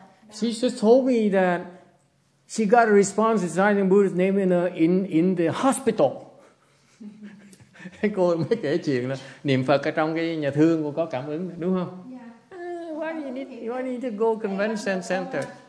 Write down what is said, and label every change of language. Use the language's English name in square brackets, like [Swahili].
[English] She just told me that she got a response to signing Buddha's name in the hospital. [Vietnamese] Cô mới kể chuyện là niệm Phật ở trong cái nhà thương cô có cảm ứng, đúng không? [English] Yeah. Why do you need to go convention center?